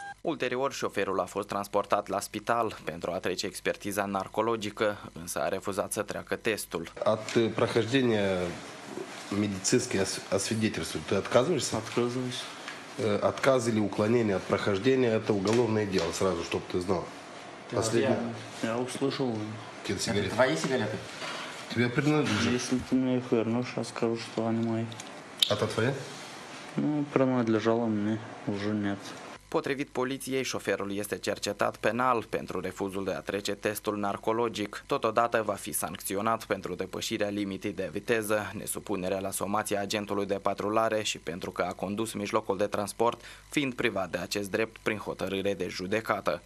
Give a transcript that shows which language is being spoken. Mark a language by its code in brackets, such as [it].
[ro] Ulterior, șoferul a fost transportat la spital pentru a trece expertiza narcologică, însă a refuzat să treacă testul. [ru] От прохождения медицинского освидетельствования ты отказываешься? Отказываюсь. Отказ или уклонение от прохождения – это уголовное дело, сразу, чтобы ты знал. Последний. Я услышал. Какие сигареты? Твои сигареты? Тебе принадлежат. Если ты мне их вернешь, сейчас скажу, что они мои. А то твои? Ну, принадлежало мне, уже нет. [ro] Potrivit poliției, șoferul este cercetat penal pentru refuzul de a trece testul narcologic. Totodată va fi sancționat pentru depășirea limitei de viteză, nesupunerea la somația agentului de patrulare și pentru că a condus mijlocul de transport, fiind privat de acest drept prin hotărâre de judecată.